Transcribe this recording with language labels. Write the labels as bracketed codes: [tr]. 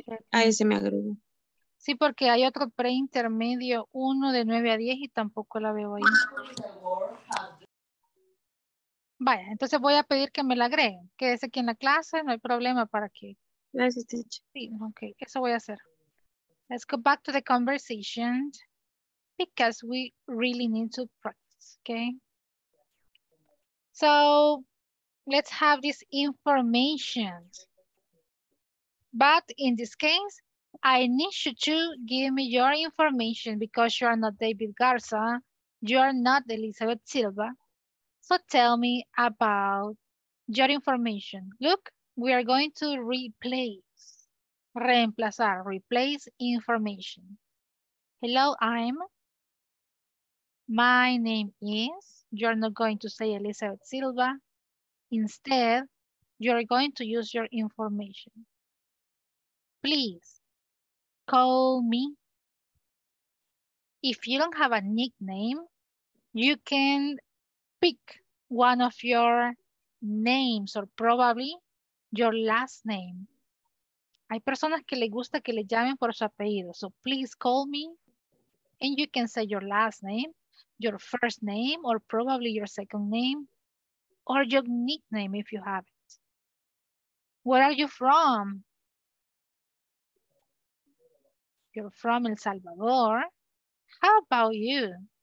[es] A ese me agregó. Sí, porque hay otro preintermedio, uno de 9 a 10 y tampoco la veo ahí. Vaya, entonces voy a pedir que me la agreguen. Quédese aquí en la clase, no hay problema para que. Gracias, teacher. Sí, ok, eso voy a hacer. [en] Let's go back to the conversation because we really need to practice, okay? So, let's have this information. But in this case, I need you to give me your information because you are not David Garza. You are not Elizabeth Silva. So tell me about your information. Look, we are going to replace, [es] reemplazar, [en] replace information. Hello, I'm. My name is. You're not going to say Elizabeth Silva. Instead, you're going to use your information. Please call me. If you don't have a nickname, you can pick one of your names or probably your last name. [es] Hay personas que les gusta que le llamen por su apellido. [en] So please call me and you can say your last name, your first name, or probably your second name. Or your nickname if you have it. Where are you from? You're from El Salvador. How about you?